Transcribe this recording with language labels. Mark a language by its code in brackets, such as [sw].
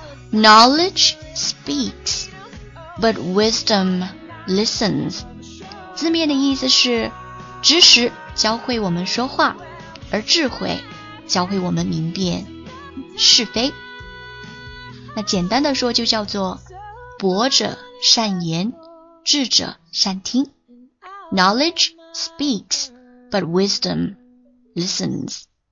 [en] Knowledge speaks, but wisdom listens. [zh] 字面的意思是知识教会我们说话，而智慧教会我们明辨是非。那简单的说就叫做博者善言，智者善听。 [en] Knowledge speaks, but wisdom listens.